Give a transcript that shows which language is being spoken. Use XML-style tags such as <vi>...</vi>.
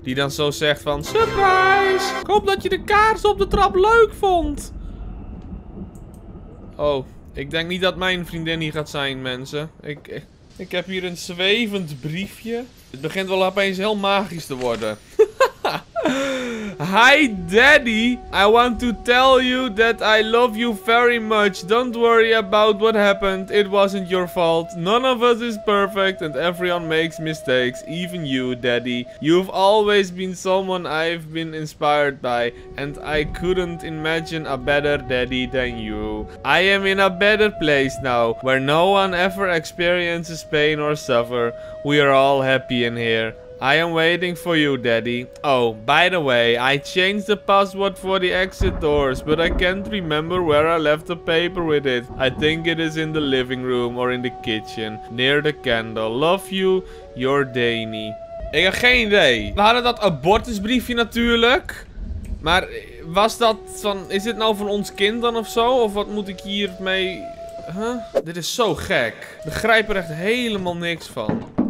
<nl>Die dan zo zegt van... Surprise! Ik hoop dat je de kaars op de trap leuk vond. Oh. Ik denk niet dat mijn vriendin hier gaat zijn, mensen. Ik heb hier een zwevend briefje. Het begint wel opeens heel magisch te worden.</nl> <en>Hi daddy, I want to tell you that I love you very much. Don't worry about what happened, it wasn't your fault. None of us is perfect and everyone makes mistakes, even you daddy. You've always been someone I've been inspired by and I couldn't imagine a better daddy than you. I am in a better place now, where no one ever experiences pain or suffer. We are all happy in here. I am waiting for you, daddy. Oh, by the way, I changed the password for the exit doors, but I can't remember where I left the paper with it. I think it is in the living room or in the kitchen, near the candle. Love you, your Dani.</en> <nl>Ik heb geen idee. We hadden dat abortusbriefje natuurlijk. Maar was dat van... Is dit nou van ons kind dan of zo? Of wat moet ik hiermee... Huh? Dit is zo gek. Ik begrijp er echt helemaal niks van.</nl>